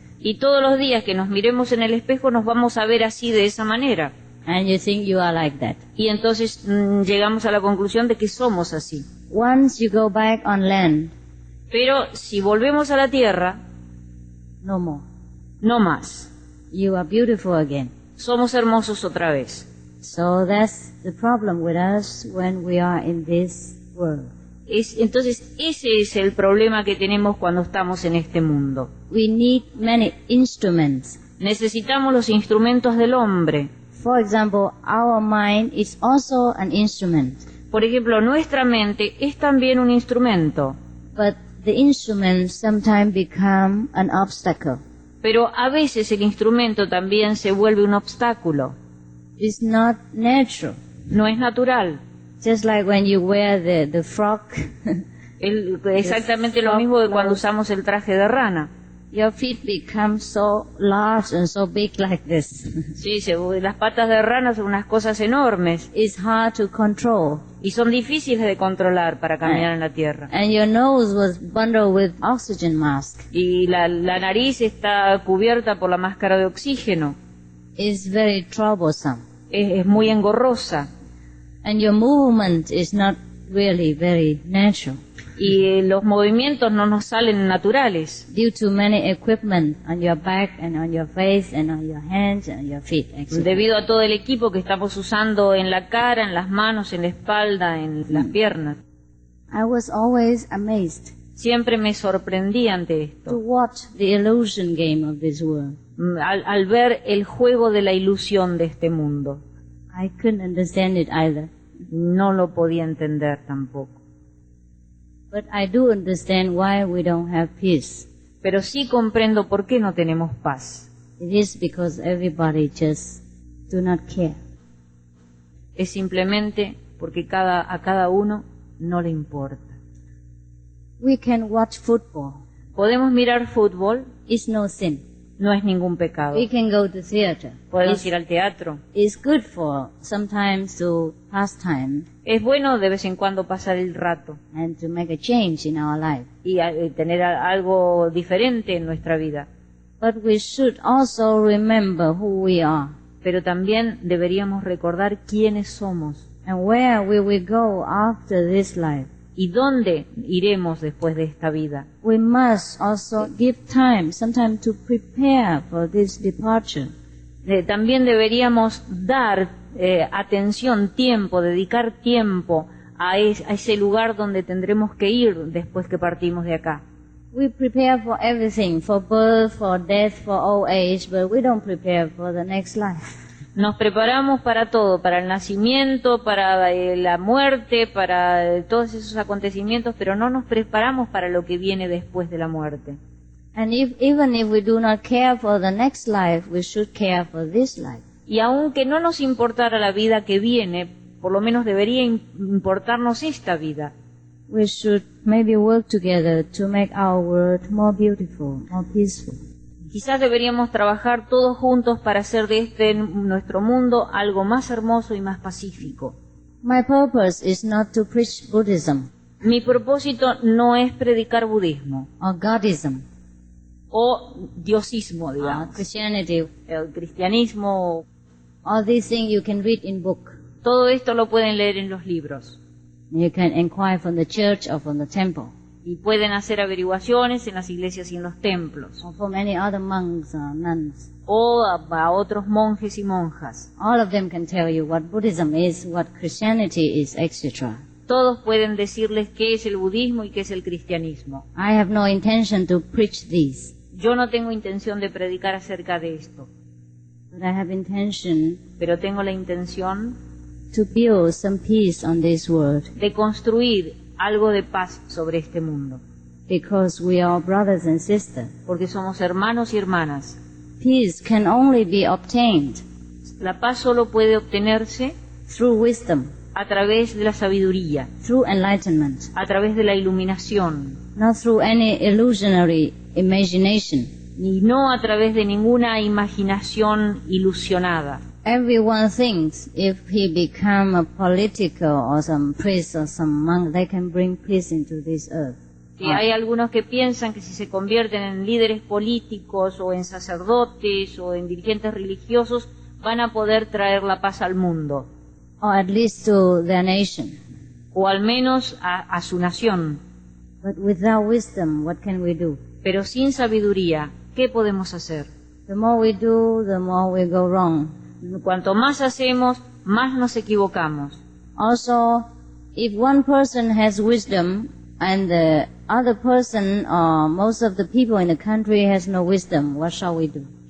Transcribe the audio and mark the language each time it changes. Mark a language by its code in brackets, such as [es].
[es] Y todos los días que nos miremos en el espejo nos vamos a ver así de esa manera. [en] And you think you are like that. [es] Y entonces llegamos a la conclusión de que somos así. [en] Once you go back on land. [es] Pero si volvemos a la tierra, [en] no more. [es] No más. [en] You are beautiful again. [es] Somos hermosos otra vez. [en] So that's the problem with us when we are in this world. [es] Entonces ese es el problema que tenemos cuando estamos en este mundo. [en] We need many instruments. [es] Necesitamos los instrumentos del hombre. [en] For example, our mind is also an instrument. [es] Por ejemplo, nuestra mente es también un instrumento. [en] But the instrument sometimes become an obstacle. [es] Pero a veces el instrumento también se vuelve un obstáculo. [en] It's not natural. [es] No es natural. [en] Just like when you wear the frock. [es] Exactamente lo mismo de cuando usamos el traje de rana. [en] Your feet become so large and so big like this. [es] Sí, las patas de rana son unas cosas enormes. [en] It's hard to control. [es] Y son difíciles de controlar para caminar en la tierra. [en] And your nose was bundled with oxygen mask. [es] Y la nariz está cubierta por la máscara de oxígeno. [en] It's very troublesome. [es] Es muy engorrosa. [en] And your movement is not really very natural. [es] Y los movimientos no nos salen naturales. [en] Due to many equipment on your back and on your face and on your hands and your feet. [es] Debido a todo el equipo que estamos usando en la cara, en las manos, en la espalda, en las piernas. [en] I was always amazed. [es] Siempre me sorprendí ante esto. [en] To watch the illusion game of this world. [es] Al ver el juego de la ilusión de este mundo. [en] I couldn't understand it either. [es] No lo podía entender tampoco. [en] But I do understand why we don't have peace. [es] Pero sí comprendo por qué no tenemos paz. [en] It is because everybody just do not care. [es] Es simplemente porque a cada uno no le importa. [en] We can watch football. [es] Podemos mirar fútbol. [en] It's no sin. [es] No es ningún pecado. [en] We can go to theater. [es] Podemos ir al teatro. [en] It's good for sometimes to pass time. [es] Es bueno de vez en cuando pasar el rato. [en] And to make a change in our life. [es] Y tener algo diferente en nuestra vida. [en] But we should also remember who we are. [es] Pero también deberíamos recordar quiénes somos. [en] And where we will go after this life. [es] ¿Y dónde iremos después de esta vida? [en] We must also give time, sometimes to prepare for this departure. [es] También deberíamos dar atención, tiempo, dedicar tiempo a ese lugar donde tendremos que ir después que partimos de acá. [en] We prepare for everything, for birth, for death, for old age, but we don't prepare for the next life. [es] Nos preparamos para todo, para el nacimiento, para la muerte, para todos esos acontecimientos, pero no nos preparamos para lo que viene después de la muerte. [en] And even if we do not care for the next life, we should care for this life. [es] Y aunque no nos importara la vida que viene, por lo menos debería importarnos esta vida. [en] We should maybe work together to make our world more beautiful, more peaceful. [es] Quizás deberíamos trabajar todos juntos para hacer de este nuestro mundo algo más hermoso y más pacífico. [en] My purpose is not to preach Buddhism. [es] Mi propósito no es predicar budismo. [en] Or Godism. [es] O diosismo, digamos. [en] Or Christianity. [es] El cristianismo. [en] All these things you can read in book. [es] Todo esto lo pueden leer en los libros. [en] You can inquire from the church or from the temple. [es] Y pueden hacer averiguaciones en las iglesias y en los templos. [en] Or for many other monks or nuns. [es] O a otros monjes y monjas. [en] All of them can tell you what Buddhism is, what Christianity is, etc. [es] Todos pueden decirles qué es el budismo y qué es el cristianismo. [en] I have no intention to preach this. [es] Yo no tengo intención de predicar acerca de esto. [en] But I have intention. [es] Pero tengo la intención. [en] To build some peace on this world. [es] De construir algo de paz sobre este mundo. [en] Because we are brothers and sisters. [es] Porque somos hermanos y hermanas. [en] Peace can only be obtained. [es] La paz solo puede obtenerse [en] through wisdom. [es] A través de la sabiduría. [en] Through enlightenment. [es] A través de la iluminación. [en] Not through any illusionary imagination. [es] Y no a través de ninguna imaginación ilusionada. [en] Everyone thinks if he become a political or some priest or some monk, they can bring peace into this earth. [es] Sí, hay algunos que piensan que si se convierten en líderes políticos o en sacerdotes o en dirigentes religiosos, van a poder traer la paz al mundo. [en] Or at least to their nation. [es] O al menos a su nación. [en] But without wisdom, what can we do? [es] Pero sin sabiduría, ¿qué podemos hacer? [en] The more we do, the more we go wrong. [es] Cuanto más hacemos, más nos equivocamos. [en] Also, if one person has wisdom and the other person or most of the people in the country has no wisdom, what shall we do?